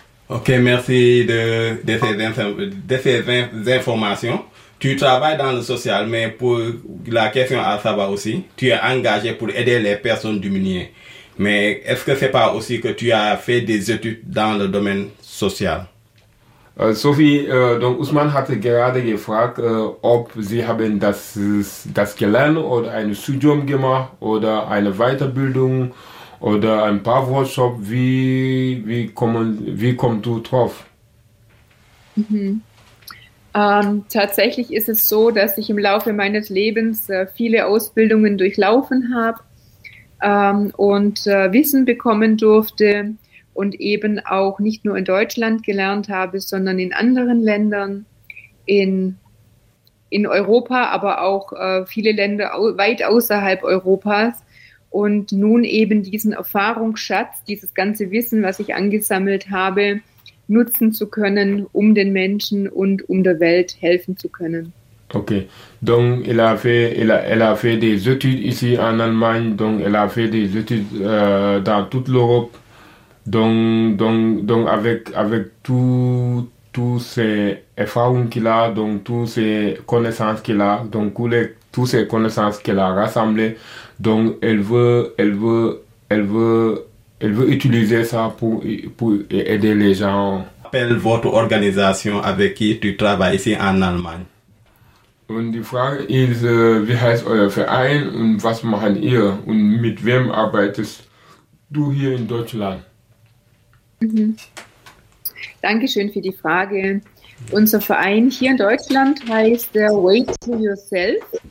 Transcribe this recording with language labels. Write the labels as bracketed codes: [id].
[fr] Ok, merci de ces informations. Tu travailles dans le social, mais pour la question à savoir aussi, tu es engagé pour aider les personnes démunies. Mais est-ce que c'est pas aussi que tu as fait des études dans le domaine social? [de] Sophie, donc Ousmane hatte gerade gefragt, ob Sie haben das gelernt oder ein Studium gemacht oder eine Weiterbildung oder ein paar Workshops. Wie kommst du drauf? Tatsächlich ist es so, dass ich im Laufe meines Lebens viele Ausbildungen durchlaufen habe und Wissen bekommen durfte und eben auch nicht nur in Deutschland gelernt habe, sondern in anderen Ländern, in Europa, aber auch viele Länder weit außerhalb Europas. Und nun eben diesen Erfahrungsschatz, dieses ganze Wissen, was ich angesammelt habe, nutzen zu können, um den Menschen und um der Welt helfen zu können. [fr] Okay, donc elle a fait des études ici en Allemagne, donc elle a fait des études dans toute l'Europe, donc avec tous ces erfahrungen qu'il a, donc toutes ces connaissances qu'il a, donc toutes ces connaissances qu'elle a rassemblées, donc elle veut utiliser ça pour aider les gens. Appelle votre organisation avec qui tu travailles ici en Allemagne. [de] Und die Frage ist, wie heißt euer Verein und was machen ihr und mit wem arbeitest du hier in Deutschland? Dankeschön für die Frage. Unser Verein hier in Deutschland heißt der Way to Yourself.